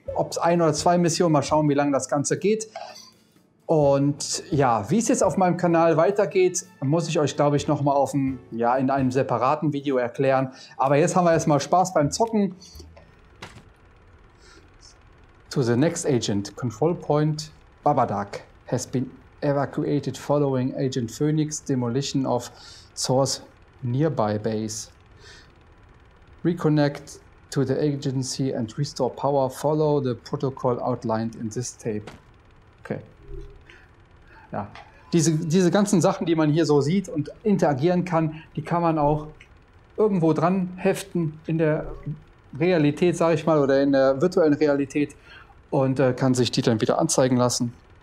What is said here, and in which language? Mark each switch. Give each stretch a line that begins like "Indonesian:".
German: Ob es ein oder zwei Missionen, mal schauen, wie lange das Ganze geht. Und ja, wie es jetzt auf meinem Kanal weitergeht, muss ich euch, glaube ich, nochmal in einem separaten Video erklären. Aber jetzt haben wir erstmal Spaß beim Zocken.
English: To the next agent. Control point. Babadak has been evacuated following Agent Phoenix demolition of source nearby base. Reconnect to the agency and restore power. Follow the protocol outlined in this tape. Okay. Ja.
German: Diese ganzen Sachen, die man hier so sieht und interagieren kann, die kann man auch irgendwo dran heften in der Realität, sage ich mal, oder in der virtuellen Realität. Und kann sich die dann wieder anzeigen lassen.